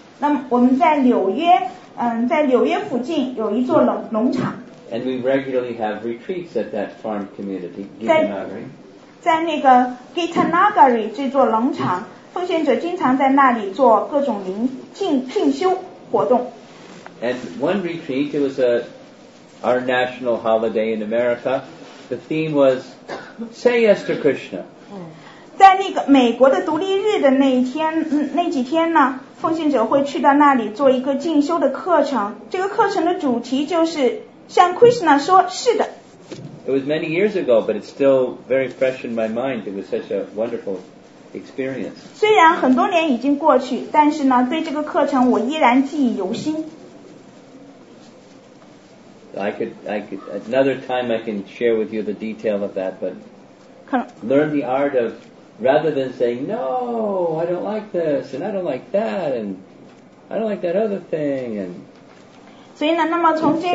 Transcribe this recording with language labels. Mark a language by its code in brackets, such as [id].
[zh] 那我们在纽约，在纽约附近有一座农场。 [en] And we regularly have retreats at that farm community, Gitanagari. [zh] 在那个 Gitanagari 这座农场，奉献者经常在那里做各种灵性进修活动。 [en] And one retreat, it was our national holiday in America. The theme was Say yes to Krishna. [zh] 在那个美国的独立日的那一天，那几天呢，奉献者会去到那里做一个进修的课程。这个课程的主题就是向 Krishna 说是的。 [en] It was many years ago, but it's still very fresh in my mind. It was such a wonderful experience. [zh] 虽然很多年已经过去，但是呢，对这个课程我依然记忆犹新。 [en] I could another time I can share with you the detail of that, but learn the art of rather than saying no, I don't like this and I don't like that and I don't like that other thing and. [zh] 所以呢，那么从这个